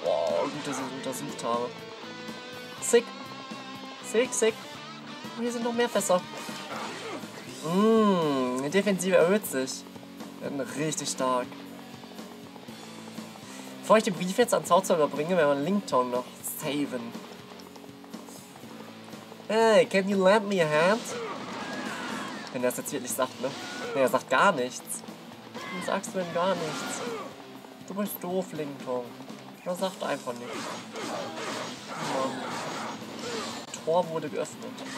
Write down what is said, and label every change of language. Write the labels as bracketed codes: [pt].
[de] Oh, gut, dass ich es untersucht habe. Sick. Hier sind noch mehr Fässer. Die Defensive erhöht sich. Wir sind richtig stark. Bevor ich den Brief jetzt an Zauzer überbringe, werden wir Lington noch saven. [en] Hey, can you lend me a hand? [de] Wenn er es jetzt wirklich sagt, ne? Nee, er sagt gar nichts. Warum sagst du denn gar nichts? Du bist doof, Lington. Er sagt einfach nichts. Mann. Tor wurde geöffnet.